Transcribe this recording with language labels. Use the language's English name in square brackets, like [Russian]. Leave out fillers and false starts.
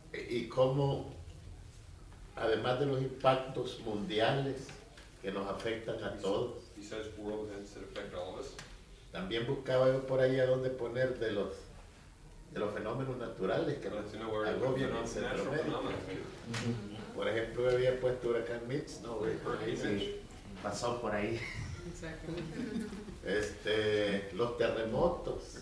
[Spanish] y cómo, además de los impactos mundiales que nos afectan a todos, [English] he says world events that affect all of us. [Spanish] También buscaba yo por ahí a dónde poner de los fenómenos naturales que nos agobian en Centroamérica. Por ejemplo, me había puesto huracán Mitch, no, pasó por ahí. Exactly. Los terremotos.